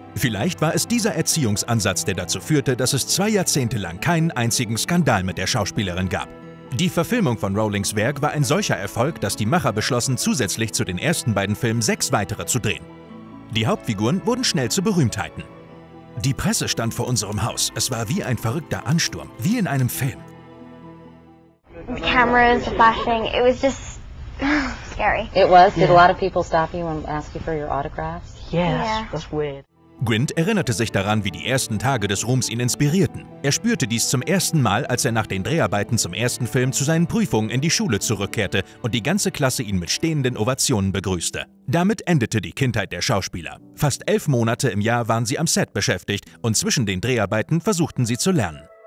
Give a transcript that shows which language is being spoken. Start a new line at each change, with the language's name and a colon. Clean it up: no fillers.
German: Vielleicht war es dieser Erziehungsansatz, der dazu führte, dass es 2 Jahrzehnte lang keinen einzigen Skandal mit der Schauspielerin gab. Die Verfilmung von Rowlings Werk war ein solcher Erfolg, dass die Macher beschlossen, zusätzlich zu den ersten beiden Filmen 6 weitere zu drehen. Die Hauptfiguren wurden schnell zu Berühmtheiten. Die Presse stand vor unserem Haus. Es war wie ein verrückter Ansturm, wie in einem Film.
English: The cameras, the flashing, it was just scary. It was. Did a lot of people stop you and ask you for your autographs? Yes, that's weird.
German: Grint erinnerte sich daran, wie die ersten Tage des Ruhms ihn inspirierten. Er spürte dies zum ersten Mal, als er nach den Dreharbeiten zum ersten Film zu seinen Prüfungen in die Schule zurückkehrte und die ganze Klasse ihn mit stehenden Ovationen begrüßte. Damit endete die Kindheit der Schauspieler. Fast 11 Monate im Jahr waren sie am Set beschäftigt und zwischen den Dreharbeiten versuchten sie zu lernen.